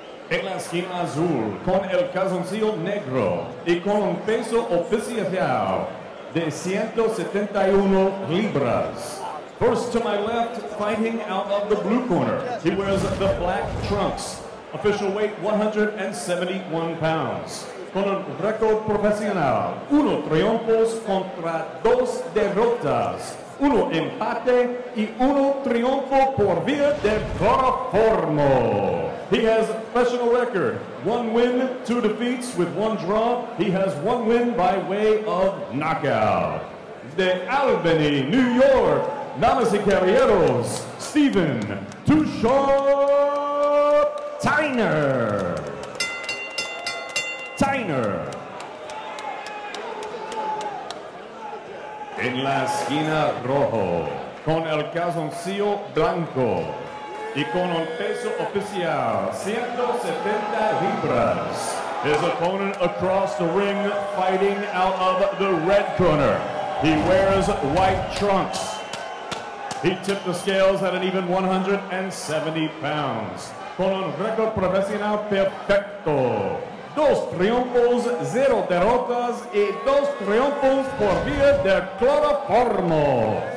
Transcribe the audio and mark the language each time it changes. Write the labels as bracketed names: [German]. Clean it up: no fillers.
[Spanish] En la esquina azul, con el calzoncillo negro y con un peso oficial de 171 libras. [English] First to my left, fighting out of the blue corner. He wears the black trunks. Official weight, 171 pounds. [Spanish] Con un récord profesional, uno triunfos contra dos derrotas. Uno empate y uno triunfo por vía de cloroformo. [English] He has a professional record, one win, two defeats with one draw. He has one win by way of knockout. [Spanish] De Albany, New York, damas y caballeros, Stephen Tushar Tyner. Tyner. En la esquina rojo, con el calzoncillo blanco. Y con un peso oficial, 170 libras. [English] His opponent across the ring, fighting out of the red corner. He wears white trunks. He tipped the scales at an even 170 pounds. [Spanish] Con un récord profesional perfecto. Dos triunfos, zero derrotas, y dos triunfos por vía de cloroformo.